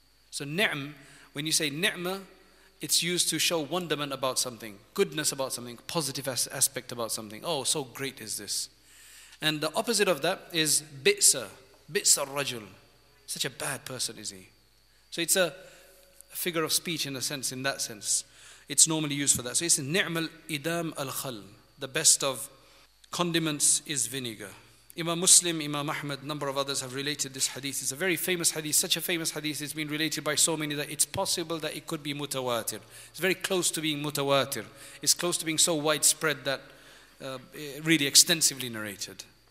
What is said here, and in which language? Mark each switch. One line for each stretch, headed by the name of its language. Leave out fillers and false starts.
English: So نعم, when you say نعم, it's used to show wonderment about something, goodness about something, positive aspect about something. Oh, so great is this. And the opposite of that is
Arabic: بئس, بئس الرجل.
English: Such a bad person is he. So it's a figure of speech in a sense, in that sense. It's normally used for that. So it's
Arabic: نعم الإدام الخل.
English: The best of condiments is vinegar. Imam Muslim, Imam Ahmad, a number of others have related this hadith. It's a very famous hadith, such a famous hadith. It's been related by so many that it's possible that it could be mutawatir. It's very close to being mutawatir. It's close to being so widespread that really extensively narrated.